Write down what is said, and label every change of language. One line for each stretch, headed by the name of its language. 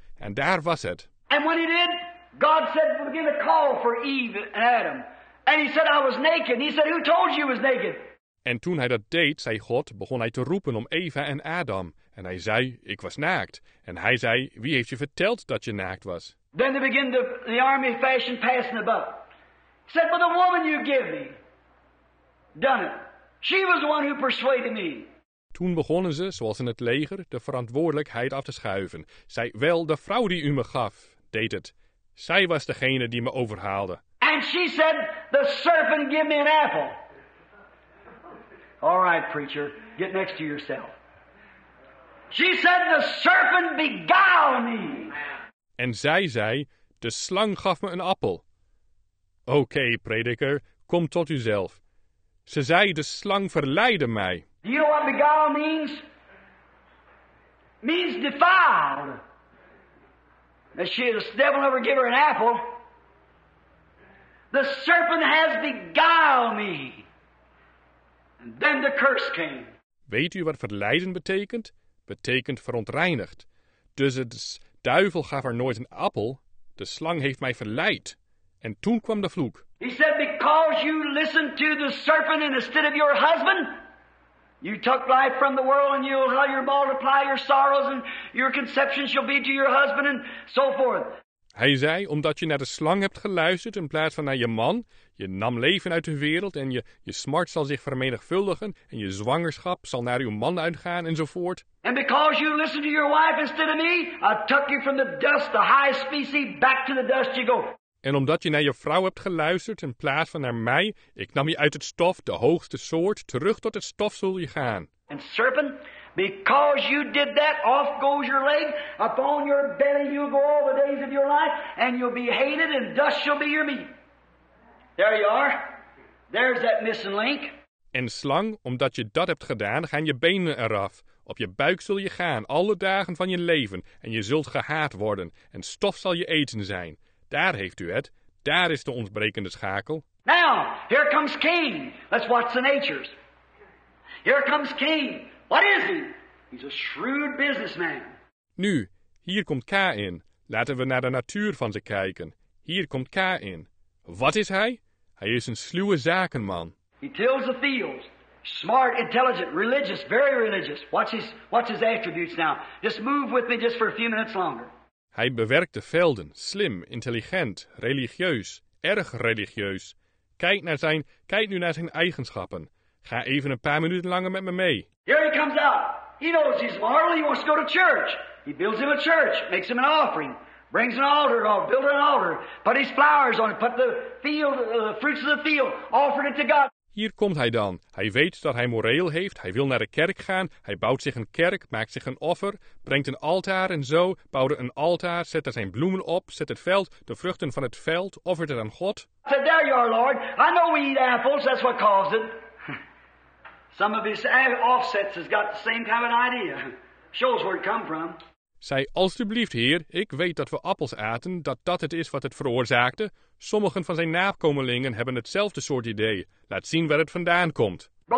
Dutch: En daar was het.
English: And when he did, God said, begin to call for Eve and Adam. And he said, I was naked. He said, who told you was naked?
Dutch: En toen hij dat deed, zei God, begon hij te roepen om Eva en Adam. En hij zei, ik was naakt. En hij zei, wie heeft je verteld dat je naakt was?
English: Then they begin the army fashion passing above. He said, but the woman you give me, done it. She was the one who persuaded me.
Dutch: Toen begonnen ze, zoals in het leger, de verantwoordelijkheid af te schuiven. Zij, wel, de vrouw die u me gaf, deed het. Zij was degene die me overhaalde.
English: And she said, the serpent give me an apple. All right, preacher, get next to yourself. She said, the serpent beguiled me.
Dutch: En zij zei, de slang gaf me een appel. Okay, prediker, kom tot uzelf. Ze zei, de slang verleidde mij.
English: Do you know what beguile means? Means defiled. As she is, the devil never gave her an apple. The serpent has beguiled me. And then the curse came.
Dutch: Weet u wat verleiden betekent? Betekent verontreinigd. Dus het duivel gaf haar nooit een appel. De slang heeft mij verleid. En toen kwam de vloek.
English: He said, because you listened to the serpent instead of your husband, you took life from the world and you'll multiply your sorrows and your conceptions shall be to your husband and so forth.
Dutch: Hij zei, omdat je naar de slang hebt geluisterd in plaats van naar je man, je nam leven uit de wereld en je smart zal zich vermenigvuldigen en je zwangerschap zal naar uw man uitgaan enzovoort.
English: And because you listened to your wife instead of me, I took you from the dust, the highest species, back to the dust you go.
Dutch: En omdat je naar je vrouw hebt geluisterd in plaats van naar mij, ik nam je uit het stof, de hoogste soort, terug tot het stof zul je gaan.
English: And serpent, because you did that, off goes your leg, upon your belly you'll go all the days of your life, and you'll be hated, and dust shall be your meat. There you are. There's that missing link.
Dutch: En slang, omdat je dat hebt gedaan, gaan je benen eraf. Op je buik zul je gaan, alle dagen van je leven, en je zult gehaat worden, en stof zal je eten zijn. Daar heeft u het. Daar is de ontbrekende schakel.
English: Now, here comes Cain. Let's watch the natures. Here comes Cain. What is he? He's a shrewd businessman.
Dutch: Nu, hier komt Kain. Laten we naar de natuur van ze kijken. Hier komt Kain. Wat is hij? Hij is een sluwe zakenman.
English: He tills the fields. Smart, intelligent, religious, very religious. What's his attributes now? Just move with me just for a few minutes longer.
Dutch: Hij bewerkt de velden. Slim, intelligent, religieus, erg religieus. Kijk nu naar zijn eigenschappen. Ga even een paar minuten langer met me mee.
English: Here he comes out. He knows he's moral. He wants to go to church. He builds him a church, makes him an offering, brings an altar, builds an altar, put his flowers on it, put the field, the fruits of the field, offered it to God.
Dutch: Hier komt hij dan. Hij weet dat hij moreel heeft. Hij wil naar de kerk gaan. Hij bouwt zich een kerk, maakt zich een offer, brengt een altaar en zo, bouwde een altaar, zet er zijn bloemen op, zet het veld, de vruchten van het veld, offert het aan God.
English: So there you are, Lord. I know we eat apples. That's what caused it. Some of his offsets has got the same kind of idea. Shows where it come from.
Dutch: Zij, alstublieft, heer, ik weet dat we appels aten, dat dat het is wat het veroorzaakte. Sommigen van zijn nakomelingen hebben hetzelfde soort idee. Laat zien waar het vandaan komt.